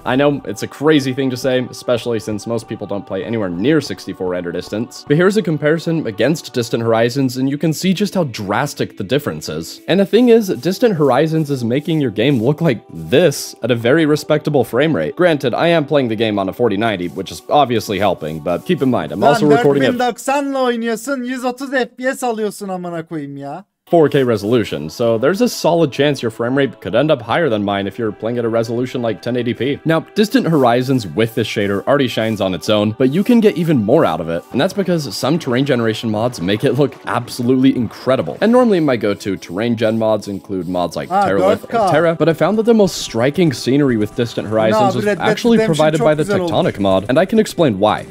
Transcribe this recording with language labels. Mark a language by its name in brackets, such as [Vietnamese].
[English] I know, it's a crazy thing to say, especially since most people don't play anywhere near 64 render distance. But here's a comparison against Distant Horizons, and you can see just how drastic the difference is. And the thing is, Distant Horizons is making your game look like this at a very respectable frame rate. Granted, I am playing the game on a 4090, which is obviously helping, but keep in mind, I'm also recording it. [Turkish] 4090'la oynuyorsun, 130 FPS alıyorsun amına koyayım ya. [English] 4K resolution, so there's a solid chance your frame rate could end up higher than mine if you're playing at a resolution like 1080p. Now, Distant Horizons with this shader already shines on its own, but you can get even more out of it, and that's because some terrain generation mods make it look absolutely incredible. And normally my go-to terrain gen mods include mods like Terralith or Terra, but I found that the most striking scenery with Distant Horizons was actually provided by the Tectonic mod, and I can explain why.